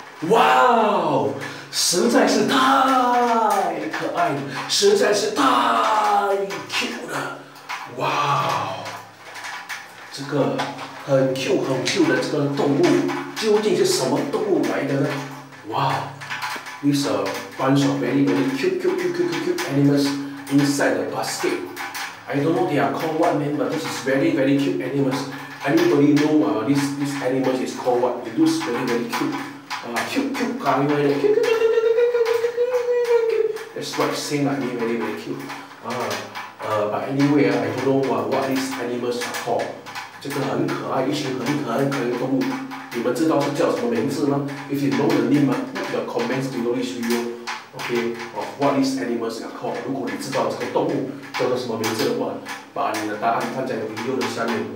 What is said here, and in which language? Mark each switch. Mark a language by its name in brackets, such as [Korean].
[Chinese] 哇哦，实在是太可爱了，实在是太 Q 了，哇哦，这个很 Q 很 Q 的这个动物究竟是什么动物来的呢？ [English] 哇哦，It's a bunch of very, very cute, cute, cute, cute, cute animals inside the basket. I don't know they are called what name, but this is very, very cute animals. Anybody know this animal is called what? It looks very, very cute. Cute, cute, coming right there. Cute, cute, cute, cute, cute, cute, cute, cute. That's what it's saying, like, very, very cute. But anyway, I don't know what these animals are called. [Chinese] 这个很可爱，一群很可爱的动物。你们知道是叫什么名字吗？ [English] If you know the name, put your comments below this video, okay, of what these animals are called. [Chinese] 如果你知道这个动物叫做什么名字的话，把你的答案放在 video 的下面。